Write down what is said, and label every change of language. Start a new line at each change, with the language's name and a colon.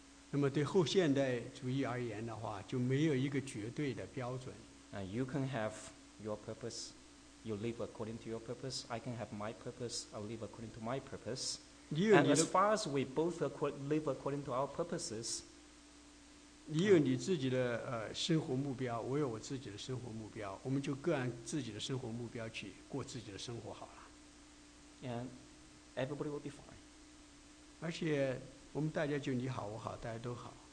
Chinese: 那么对后现代主义而言的话，就没有一个绝对的标准。
English: You can have your purpose, you live according to your purpose. I can have my purpose, I live according to my purpose. And as far as we both live according to our purposes,
Chinese: 你有你自己的生活目标，我有我自己的生活目标，我们就各按自己的生活目标去过自己的生活好了。
English: And everybody will be fine.
Chinese: 而且。我们大家就你好我好大家都好。